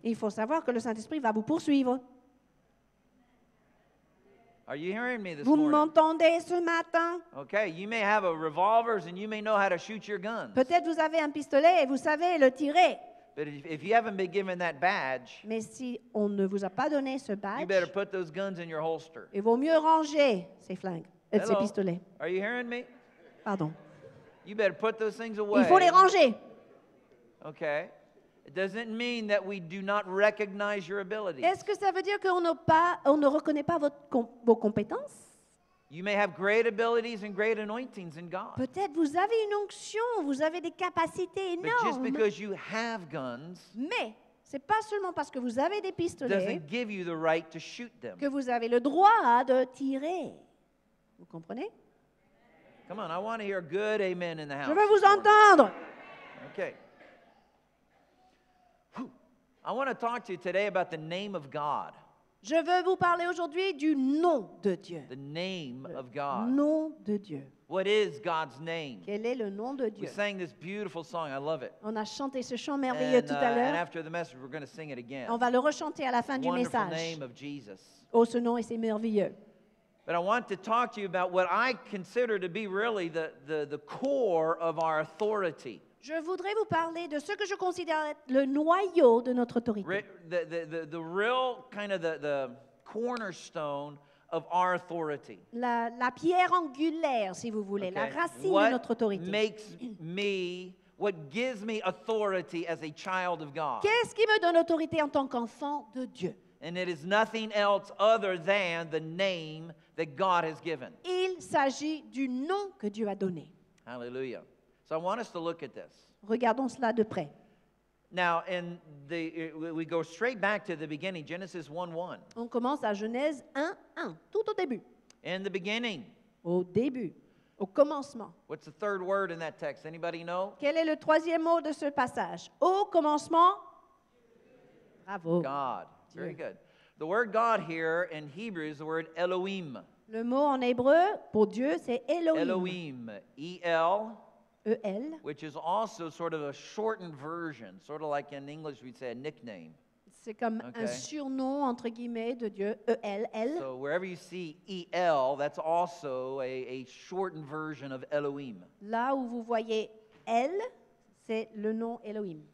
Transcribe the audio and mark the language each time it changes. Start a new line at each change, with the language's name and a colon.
French: Il faut savoir que le Saint-Esprit va vous poursuivre.
English: Are you hearing me this
French: vous
English: morning?
French: M'entendez ce matin?
English: Okay, you may have a revolvers and you may know how to shoot your guns.
French: Peut-être vous avez un pistolet et vous savez le tirer.
English: But if you haven't been given that badge,
French: mais si on ne vous a pas donné ce badge,
English: you better put those guns in your holster.
French: Il vaut mieux ranger ces flingues, ces pistolets.
English: Are you hearing me?
French: Pardon.
English: You better put those things away.
French: Il faut les ranger.
English: Okay. It doesn't mean that we do not recognize your ability.
French: Est-ce que ça veut dire qu'on n'a pas, on ne reconnaît pas vos compétences?
English: You may have great abilities and great anointings in God.
French: Peut-être vous avez une onction, vous avez des capacités énormes.
English: But just because you have guns,
French: mais c'est pas seulement parce que vous avez des pistolets,
English: doesn't give you the right to shoot them.
French: Que vous avez le droit de tirer. Vous comprenez?
English: Come on, I want to hear a good amen in the house.
French: Je veux vous entendre.
English: Okay. I want to talk to you today about the name of God.
French: Je veux vous parler aujourd'hui du nom de Dieu.
English: The name of God.
French: Nom de Dieu.
English: What is God's name?
French: Quel est le nom de Dieu?
English: We sang this beautiful song. I love it.
French: On a chanté ce chant merveilleux tout à l'heure.
English: And after the message, we're going to sing it again.
French: On va le rechanter à la fin du message.
English: Wonderful name of Jesus.
French: Oh, ce nom est c'est merveilleux.
English: But I want to talk to you about what I consider to be really the core of our authority.
French: Je voudrais vous parler de ce que je considère être le noyau de notre autorité.
English: The real kind of the cornerstone of our authority.
French: La pierre angulaire, si vous voulez,
English: okay.
French: La racine
English: what
French: de notre autorité.
English: What gives me authority as a child of God?
French: Qu'est-ce qui me donne autorité en tant qu'enfant de Dieu?
English: And it is nothing else other than the name that God has given.
French: Il s'agit du nom que Dieu a donné.
English: Hallelujah. So I want us to look at this.
French: Regardons cela de près.
English: Now, we go straight back to the beginning, Genesis 1:1.
French: On commence à Genèse 1:1, tout au début.
English: In the beginning.
French: Au début, au commencement.
English: What's the third word in that text? Anybody know?
French: Quel est le troisième mot de ce passage? Au commencement. Bravo.
English: God. Dieu. Very good. The word God here in Hebrew is the word Elohim.
French: Le mot en hébreu pour Dieu c'est Elohim. Elohim. E-L.
English: Which is also sort of a shortened version, sort of like in English we'd say a nickname.
French: C'est comme okay. Un surnom entre guillemets de Dieu, E-L-L.
English: So wherever you see E-L, that's also a shortened version of Elohim.
French: Là où vous voyez L, c'est le nom Elohim.